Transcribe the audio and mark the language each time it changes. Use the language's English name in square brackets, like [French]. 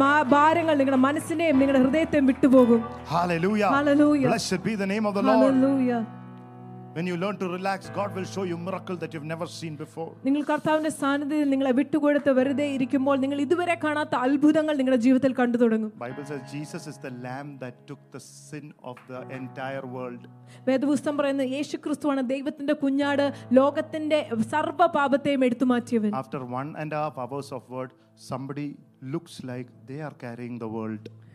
[Malayalam] Maa bhaarangal നിങ്ങളുടെ മനസ്സിനെയും നിങ്ങളുടെ ഹൃദയത്തെയും വിട്ടുപോകും. Hallelujah. Hallelujah. [English] Blessed be the name of the Lord. [Malayalam] Hallelujah. [English] When you learn to relax, God will show you miracle that you've never seen before. [Malayalam] നിങ്ങൾ കർത്താവിന്റെ സാന്നിധ്യത്തിൽ നിങ്ങളെ വിട്ടുകൊടുത്ത് വെറുതെ ഇരിക്കുമ്പോൾ നിങ്ങൾ ഇതുവരെ കാണാത്ത അത്ഭുതങ്ങൾ നിങ്ങളുടെ ജീവിതത്തിൽ കണ്ടു തുടങ്ങും. [English] Bible says Jesus is the lamb that took the sin of the entire world. [Malayalam] വേദപുസ്തകം പറയുന്നു യേശുക്രിസ്തുവാണ് ദൈവത്തിന്റെ കുഞ്ഞാട് ലോകത്തിന്റെ സർവ്വ പാപത്തെയും എടുത്തു മാറ്റിയവൻ. [English] After 1.5 hours of word, somebody looks like they are carrying the world.